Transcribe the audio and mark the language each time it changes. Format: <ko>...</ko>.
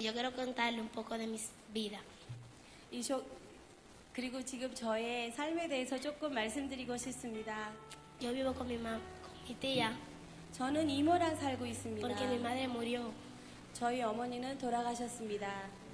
<es>Yo quiero contarle un poco de mi vida.</es> <ko>그리고 지금 저의 삶에 대해서 조금 말씀드리고 싶습니다.</ko> <es>Yo vivo con mi mamá, con mi tía.</es> <ko>저는 이모랑 살고 있습니다.</ko> <es>Porque mi madre murió.</es> <ko>저희 어머니는 돌아가셨습니다.</ko>